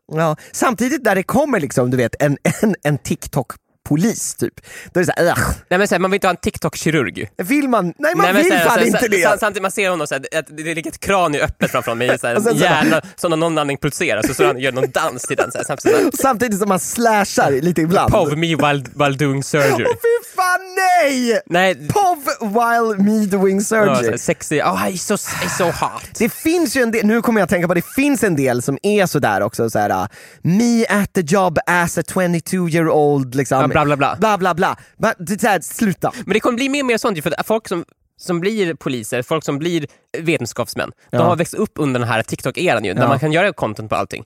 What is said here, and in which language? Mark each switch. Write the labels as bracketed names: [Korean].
[Swedish] Ja, samtidigt där det kommer liksom, du vet, en TikTok-polis typ. Då är det så här, nej men så här, man vill inte ha en TikTok-kirurg. Vill man? Nej, man vill inte det. Samtidigt man ser honom så här, att det ligger ett kran i öppet framför mig så här, hjärna, så när någon annan pulserar så han gör någon dans till den så här, samtidigt som man slashar lite ibland. [English] Pov me while doing surgery. [Swedish] Åh, fy fan, nej! Nej. [English] Pov while me doing surgery. Ja, sexy. Åh, he's so hot. [Swedish] Det finns ju en del, nu kommer jag att tänka på, det finns en del som är så där också så här, [English] me at the job as a 22-year-old [Swedish] liksom. Ja, bla bla bla. Bla bla bla. Men det är sluta. Men det kommer bli mer och mer sånt ju, för folk som blir poliser, folk som blir vetenskapsmän, ja, de har växt upp under den här TikTok-eran ju, där man kan göra content på allting.